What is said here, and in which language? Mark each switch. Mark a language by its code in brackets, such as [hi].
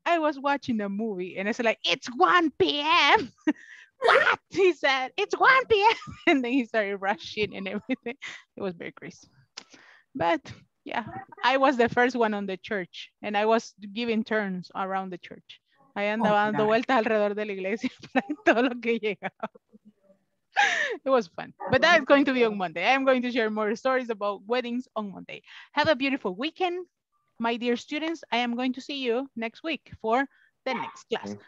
[en] I was watching a movie. And I said, like, it's 1 p.m. What? He said, it's 1 p.m. And then he started rushing and everything. It was very crazy. But yeah, I was the first one on the church and I was giving turns around the church. [es] I andaba dando vueltas alrededor de la iglesia para todo lo que llegaba. [en] It was fun. But that is going to be on Monday. I am going to share more stories about weddings on Monday. Have a beautiful weekend, my dear students. I am going to see you next week for the next class.